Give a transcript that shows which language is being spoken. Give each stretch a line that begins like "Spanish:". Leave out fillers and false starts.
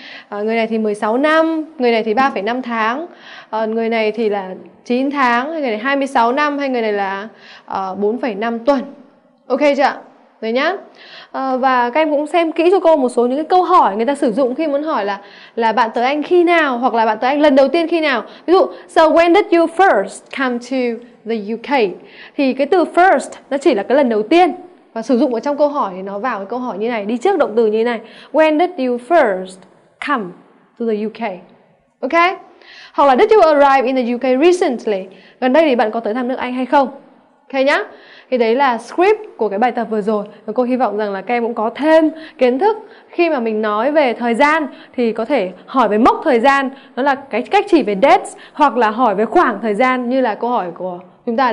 Vietnamese: Người này thì 16 năm, người này thì 3.5 tháng. Người này thì là 9 tháng, hay người này 26 năm, hay người này là 4.5 tuần. Ok chưa ạ? Đấy nhá. Và các em cũng xem kỹ cho cô một số những cái câu hỏi người ta sử dụng khi muốn hỏi là bạn tới Anh khi nào, hoặc là bạn tới Anh lần đầu tiên khi nào. Ví dụ,
English: so when did you first come to the UK?
Vietnamese: Thì cái từ first nó chỉ là cái lần đầu tiên, và sử dụng ở trong câu hỏi thì nó vào cái câu hỏi như này, đi trước động từ như này.
English: When did you first come to the UK? Ok.
Vietnamese: Hoặc là
English: did you arrive in the UK recently?
Vietnamese: Gần đây thì bạn có tới thăm nước Anh hay không? Ok nhá. Thì đấy là script của cái bài tập vừa rồi. Và cô hy vọng rằng là các em cũng có thêm kiến thức. Khi mà mình nói về thời gian thì có thể hỏi về mốc thời gian, đó là cái cách chỉ về dates, hoặc là hỏi về khoảng thời gian như là câu hỏi của chúng ta.